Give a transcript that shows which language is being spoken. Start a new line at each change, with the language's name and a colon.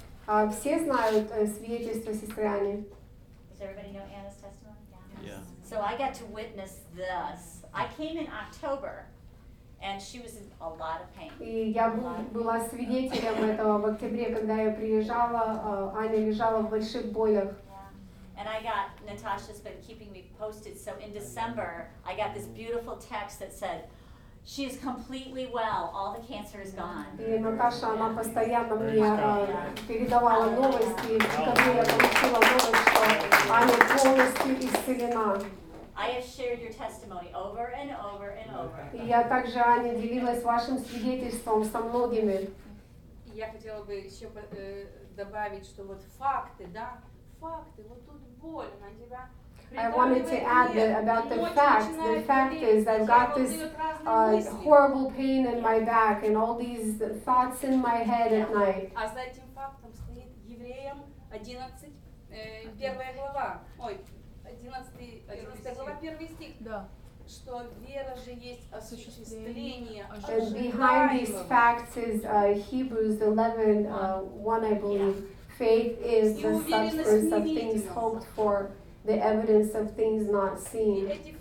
Russian: Все знают свидетельство сестры Ани.
English: Everybody know Anna's testimony? Yeah. So I got to witness this. I came in October And she was in a lot of pain.
Russian: И я была свидетелем этого в октябре, когда я приезжала, Аня лежала в больших болях.
English: And I got, Natasha's been keeping me posted, so in December, I got this beautiful text that said, she is completely well, all the cancer is gone.
Russian: И Наташа, она постоянно мне передавала новости, когда я получила новость, что Аня полностью исцелена.
English: I have shared your testimony over and over and over.
Russian: И я также, Аня, делилась вашим свидетельством со многими. Я хотела бы еще добавить, что вот факты, да, факты, вот тут боль на тебя.
English: I wanted to add that about the fact. The fact is that I've got this horrible pain in my back and all these thoughts in my head at night.
Russian: А за этим фактом стоит Евреям 11, первая глава. Ой, 11 глава, первый стих. Да. Что вера же есть осуществление.
English: And behind these facts is Hebrews 11, 1, I believe. Faith is the substance of things hoped for. The evidence of things not seen.